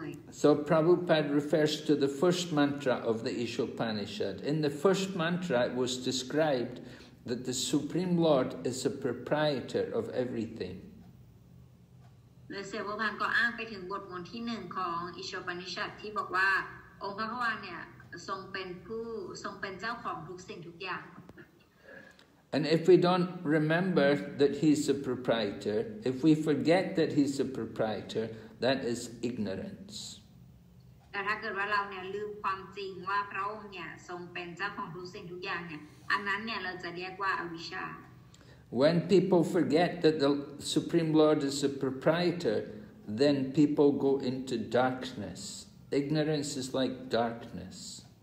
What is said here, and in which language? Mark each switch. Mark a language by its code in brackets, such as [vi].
[en] So Prabhupada refers to the first mantra of the Isopanisad. In the first mantra it was described that the Supreme Lord is a proprietor of everything. [th] เสวพันธ์ก็อ้างไปถึงบทมนต์ที่หนึ่งของอิชฌาปนิชัดที่บอกว่าองค์พระผู้เป็นเจ้าเนี่ยทรงเป็นผู้ทรงเป็นเจ้าของทุกสิ่งทุกอย่าง [en] And if we don't remember that he's a proprietor, if we forget that he's a proprietor, that is ignorance. [th] แต่ถ้าเกิดว่าเราเนี่ยลืมความจริงว่าพระองค์เนี่ยทรงเป็นเจ้าของทุกสิ่งทุกอย่างเนี่ยอันนั้นเนี่ยเราจะเรียกว่าอวิชชา [en] When people forget that the Supreme Lord is a proprietor, then people go into darkness. Ignorance is like darkness.